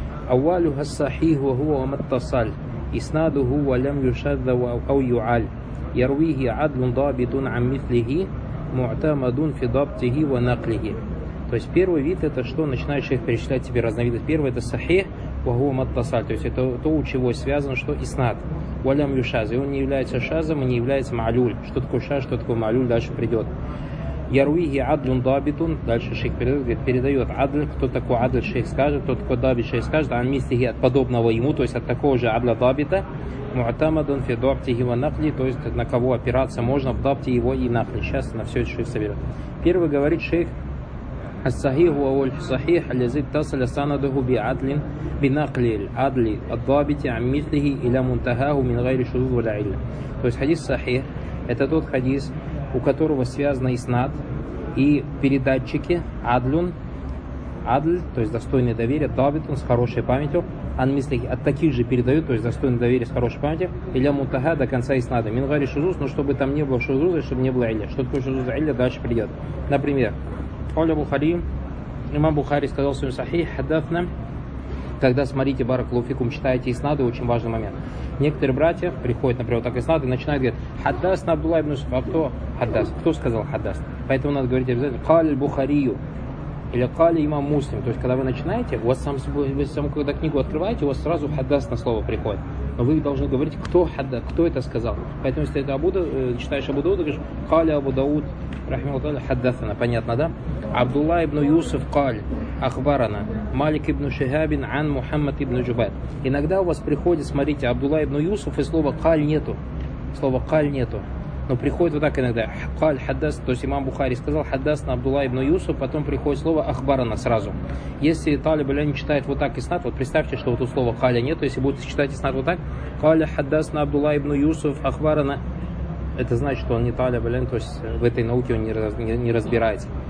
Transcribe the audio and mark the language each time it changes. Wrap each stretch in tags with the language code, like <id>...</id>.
<ar>أولها الصحيح وهو ما اتصل إسناده ولم يشذ أو يعل يرويه عدل ضابط عن مثله معتمد في ضبطه ونقله.</ar> <ru>То есть первый вид это что начинает шейх перечислять тебе разновидность. Первый это сахих, вагу маттасаль. То есть это то, у чего связано, что иснад. Валям юшаз. И он не является шазом и не является маалюль. Что такое шаз, что такое маалюль, дальше придет. Яруиги адлун дабитун. Дальше шейх передает адль. Кто такой адль, шейх скажет. Кто такой дабит, шейх скажет. Ан мистихи от подобного ему, то есть от такого же адля дабита. Муатамадун фи дабтихи ва нахли. То есть на кого опираться можно в дабте его и нахли. Сейчас на все это шейх соберет. Первый говорит шейх.</ru> <ar>الصحيح هو الصحيح الذي اتصل سنده بعدل بنقل العدل الضابط عن مثله إلى منتهاه من غير شذوذ ولا علة.</ar> <ru>То есть хадис сахих это тот хадис, у которого связано иснад и передатчики адлюн, адль, то есть достойный доверия, дабитун с хорошей памятью, ан мислихи от таких же передают, то есть достойный доверия с хорошей памятью, илля мунтага до конца иснада, мин гайри шузуз, но чтобы там не было шузуза, чтобы не было илля. Что такое шузуз илля, дальше придет. Например,</ru> <ar>قال البخاري</ar> <ru>امام بخاري сказал своим сахих хадафна. Когда смотрите баракаллаху фикум, читаете иснады, очень важный момент. Некоторые братья приходят, например, вот так иснады и начинают говорить: хаддас на абдулла ибн сухаб. Кто хаддас? Кто сказал хаддас? Поэтому надо говорить обязательно</ru> <ar>قال البخاري</ar> <ru>или قال имам муслим. То есть когда вы начинаете, у вас сам когда книгу открываете, у вас сразу хаддас на слово приходит. Но вы должны говорить, кто хаддас, кто это сказал. Поэтому если это Абу Дауд, читаешь Абу Дауд, говоришь قال Абу Дауд рахмаллаху хаддасана. Понятно, да?</ru> <ar>Абдулла ибн Юсуф قال أخبرنا مالك ابن شهاب عن محمد ابن جبير.</ar> <ru>Иногда у вас приходит, смотрите, Абдулла ибн Юсуф и слова قال нету. Слова قال нету. Но приходит вот так иногда.</ru> <ar>قال حدث,</ar> <ru>то есть имам Бухари сказал حدثنا Абдулла ибн Юсуф, потом приходит слово أخبرنا сразу. Если талиб аль-ани читает вот так иснад, вот представьте, что вот у слова قال нету, если будете читать иснад вот так,</ru> <ar>قال حدثنا</ar> <ru>Абдулла ибн Юсуф أخبرنا, это значит, что он не талиб аль-ани, то есть в этой науке он не разбирается.</ru>